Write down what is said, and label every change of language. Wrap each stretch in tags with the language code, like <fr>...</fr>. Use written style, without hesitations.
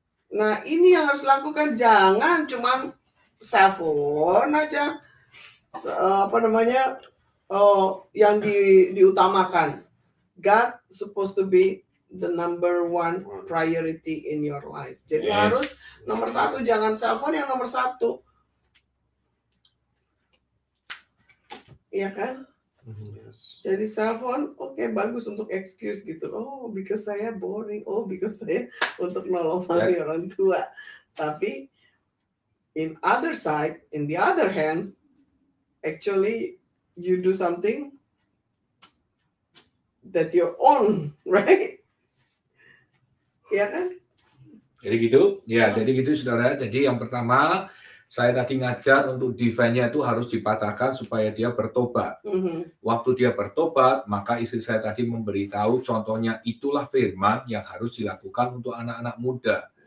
<id>Nah, ini yang harus dilakukan. Jangan cuma cell phone aja. apa namanya, yang diutamakan.</id> <en>God supposed to be the number one priority in your life.</en> <id>Jadi yeah, harus nomor satu, jangan cell phone yang nomor satu. Iya kan? Yes. Jadi cell phone oke, okay, bagus untuk excuse gitu.</id> <en>Oh, because</en> <id>saya</id> <en>boring.</en> <id>Oh, because saya untuk nolong yeah, orang tua. Tapi</id> <en>in other side, in the other hand, actually you do something that you're on, right?</en> <id>Iya kan? Jadi gitu. Ya, oh, jadi gitu saudara. Jadi yang pertama, saya tadi ngajar untuk divine-nya itu harus dipatahkan supaya dia bertobat. Mm-hmm. Waktu dia bertobat, maka istri saya tadi memberitahu contohnya itulah firman yang harus dilakukan untuk anak-anak muda.</id>